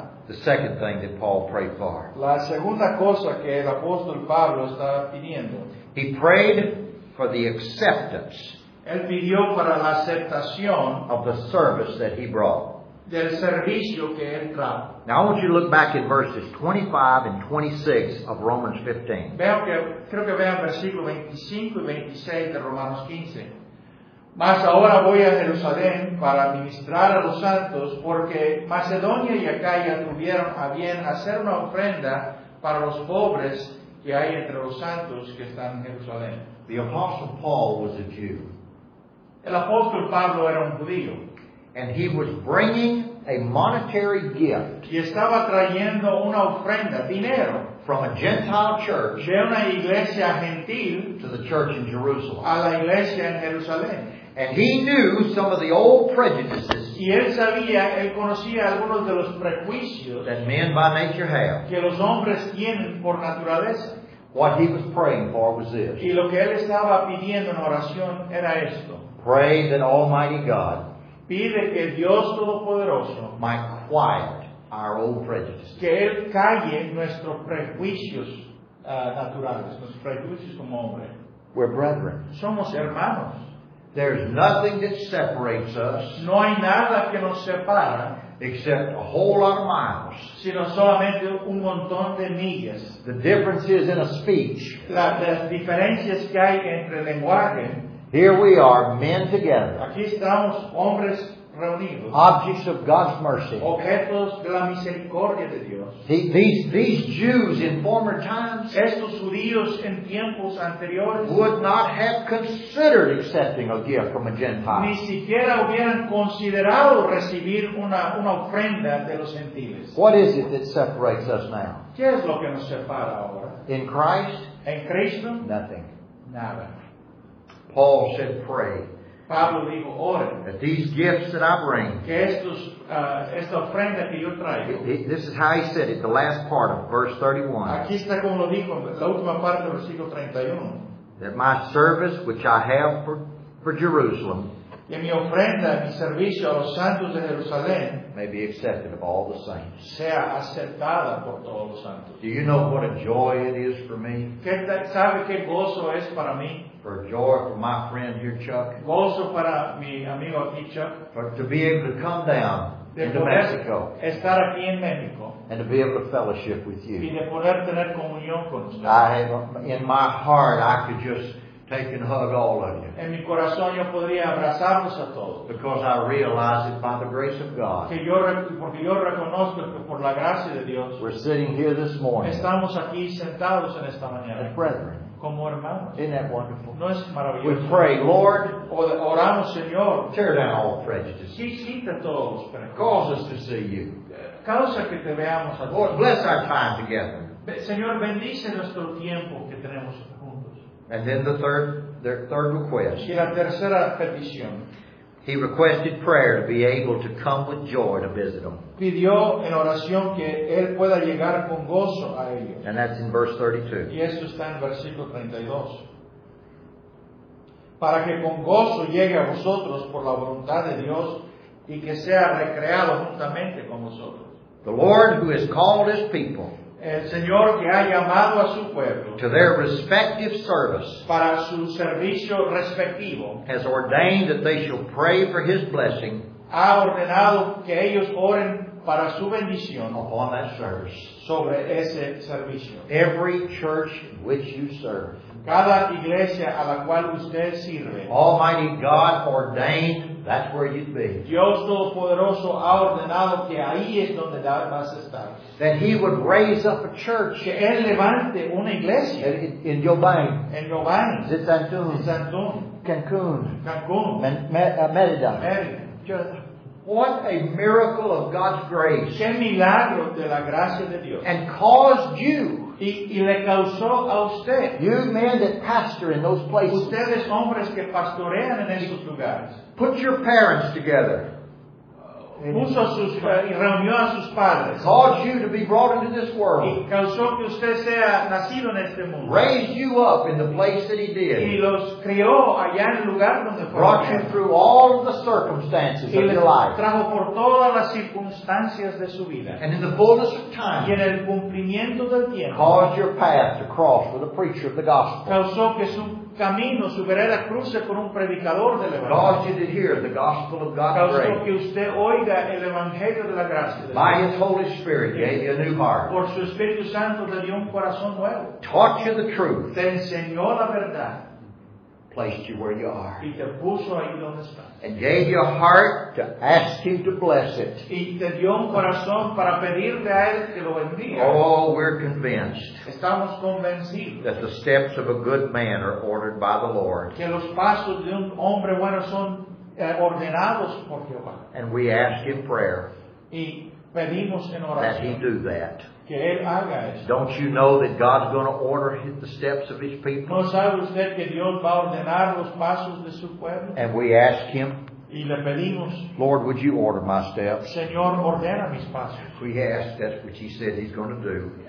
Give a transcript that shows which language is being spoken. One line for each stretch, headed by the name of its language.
English: the second thing that Paul prayed for.
Spanish: La segunda cosa que el apóstol Pablo está pidiendo.
English: He prayed for the acceptance.
Spanish: Él pidió para la aceptación
English: of the service that he brought.
Spanish: Del servicio que él trajo.
English: Now I want you to look back at verses 25 and 26 of Romans 15.
Spanish: Veo que, creo que vean versículos 25 y 26 de Romanos 15. Mas ahora voy a Jerusalén para ministrar a los santos, porque Macedonia y Acaya tuvieron a bien hacer una ofrenda para los pobres que hay entre los santos que están en Jerusalén.
English: The Apostle Paul was a Jew.
Spanish: El apóstol Pablo era un judío.
English: And he was bringing a monetary gift.
Spanish: Y estaba trayendo una ofrenda, dinero,
English: from a Gentile church,
Spanish: de una iglesia gentil,
English: to the church in Jerusalem.
Spanish: A la iglesia en Jerusalén.
English: And he knew some of the old prejudices.
Spanish: Y él sabía, él conocía algunos de los prejuicios
English: that men by nature have.
Spanish: Que los hombres tienen por naturaleza.
English: What he was praying for was this.
Spanish: Y lo que él estaba pidiendo en oración era esto.
English: Pray that Almighty God.
Spanish: Pide que Dios Todopoderoso
English: might quiet our old prejudices.
Spanish: Que Él calle nuestros prejuicios naturales, nuestros prejuicios como hombre.
English: We're brethren.
Spanish: Somos hermanos.
English: There's nothing that separates us.
Spanish: No hay nada que nos separa.
English: Except a whole lot of miles.
Spanish: Sino solamente un montón de millas.
English: The difference is in a speech.
Spanish: Las diferencias que hay entre el lenguaje.
English: Here we are, men together.
Spanish: Aquí estamos, hombres reunidos.
English: Objects of God's mercy.
Spanish: Objetos de la misericordia de Dios.
English: These Jews in former times,
Spanish: estos judíos en tiempos anteriores,
English: would not have considered accepting a gift from a Gentile.
Spanish: Ni siquiera hubieran considerado recibir una ofrenda de los gentiles.
English: What is it that separates us now?
Spanish: ¿Qué es lo que nos separa ahora?
English: In Christ?
Spanish: En Cristo?
English: Nothing.
Spanish: Nada.
English: Paul said, pray.
Spanish: Pablo dijo, ore.
English: That these gifts that I bring.
Spanish: Que estos, esta ofrenda que yo traigo.
English: This is how he said it, the last part of verse 31.
Spanish: Aquí está como lo dijo, la última parte del versículo 31.
English: That my service which I have for Jerusalem.
Spanish: Que mi ofrenda, mi servicio a los santos de Jerusalén.
English: May be accepted of all the saints.
Spanish: Sea aceptada por todos los santos.
English: Do you know what a joy it is for me?
Spanish: ¿Qué, sabe qué gozo es para mí?
English: For joy for my friend here, Chuck.
Spanish: Gozo para mi amigo aquí, Chuck.
English: For to be able to come down into Mexico.
Spanish: Estar aquí en México.
English: And to be able to fellowship with you.
Spanish: Y de poder tener comunión con usted.
English: In my heart, I could just take and hug all of you.
Spanish: En mi corazón yo podría abrazarlos a todos.
English: Because I realize it by the grace of God.
Spanish: Que yo, porque yo reconozco que por la gracia de Dios.
English: We're sitting here this morning.
Spanish: Estamos aquí sentados en esta mañana.
English: As brethren.
Spanish: Como hermanos.
English: Isn't that wonderful?
Spanish: No es maravilloso.
English: We pray, Lord,
Spanish: oramos, Señor,
English: tear down all prejudices.
Spanish: Quita todos los prejuicios.
English: Cause us to see you.
Spanish: Causa que te veamos a
English: Lord, bless our time together.
Spanish: Señor, bendice nuestro tiempo que tenemos juntos.
English: And then the third request.
Spanish: Y la tercera petición.
English: He requested prayer to be able to come with joy to visit them.
Spanish: Pidió en oración que él pueda llegar con gozo a ellos.
English: And that's in verse 32.
Spanish: Y eso está en versículo 32. Para que con gozo llegue a vosotros por la voluntad de Dios y que sea recreado juntamente con vosotros.
English: The Lord who has called his people.
Spanish: el Señor que ha llamado a su pueblo
English: to their respective service
Spanish: para su servicio respectivo
English: has ordained that they shall pray for his blessing
Spanish: ha ordenado que ellos oren para su bendición
English: upon that service
Spanish: sobre ese servicio.
English: Every church which you serve
Spanish: cada iglesia a la cual usted sirve
English: Almighty God ordained that's where you'd be
Spanish: Dios Todopoderoso ha ordenado que ahí es donde vas a estar
English: that he would raise up a church
Spanish: que él levante una iglesia
English: in Yobain
Spanish: en Yobain Zitantun Zitantun Cancun Merida
English: What a miracle of God's grace.
Spanish: Qué milagro de la gracia de Dios.
English: And caused you.
Spanish: Y le causó a usted.
English: You men that pastor in those places.
Spanish: Ustedes hombres que pastorean en esos lugares.
English: Put your parents together.
Spanish: Reunió a sus padres.
English: Caused you to be brought into this world.
Spanish: Y causó que usted sea nacido en este mundo.
English: Raised you up in the place that he did.
Spanish: Y los crió allá en el lugar donde fue.
English: Brought you through all of the circumstances of your life.
Spanish: Trajo por todas las circunstancias de su vida.
English: And in the fullness of time.
Spanish: Y en el cumplimiento del tiempo.
English: Caused your path to cross with a preacher of the gospel.
Spanish: Causó que su camino su vereda cruce con un predicador del evangelio.
English: Caused you to hear the gospel of God's grace.
Spanish: Causó que usted oiga el evangelio de la gracia.
English: By His Holy Spirit gave you a new heart.
Spanish: Por su Espíritu Santo le dio un corazón nuevo.
English: Taught you the truth.
Spanish: Te enseñó la verdad.
English: Placed you where you are.
Spanish: Y te puso ahí donde estás.
English: And gave you a heart to ask Him to bless it.
Spanish: Y te dio un corazón para pedirle a él que lo bendiga.
English: Oh, we're convinced.
Spanish: Estamos convencidos.
English: That the steps of a good man are ordered by the Lord.
Spanish: Que los pasos de un hombre bueno son ordenados por Jehová.
English: And we ask in prayer.
Spanish: Y pedimos en oración.
English: That He do that.
Spanish: Que él haga eso.
English: Don't you know that God's going to order the steps of His people?
Spanish: ¿No sabe usted que Dios va a ordenar los pasos de su pueblo?
English: And we ask Him,
Spanish: y le pedimos,
English: Lord, would you order my steps?
Spanish: Señor, ordena mis pasos.
English: We ask that which He said He's going to do.